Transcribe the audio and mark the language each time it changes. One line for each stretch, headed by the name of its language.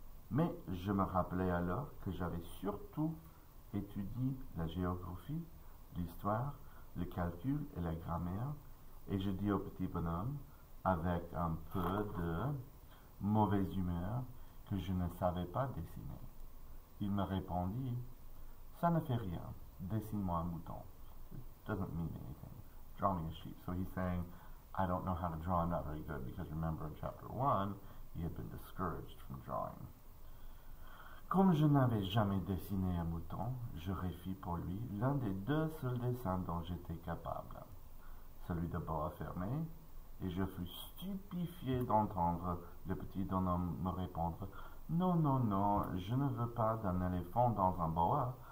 French: Mais je me rappelais alors que j'avais surtout étudié la géographie, l'histoire, le calcul et la grammaire, et je dis au petit bonhomme, avec un peu de mauvaise humeur, que je ne savais pas dessiner. Il me répondit, ça ne fait rien, dessine-moi un mouton.
English: doesn't mean anything. Drawing a sheep. So he's saying, I don't know how to draw, I'm not very good, because remember in chapter 1, he had been discouraged from drawing.
French: Comme je n'avais jamais dessiné un mouton, je refis pour lui l'un des deux seuls dessins dont j'étais capable, celui de Boa fermé, et je fus stupéfié d'entendre le petit bonhomme me répondre « Non, non, non, je ne veux pas d'un éléphant dans un boa.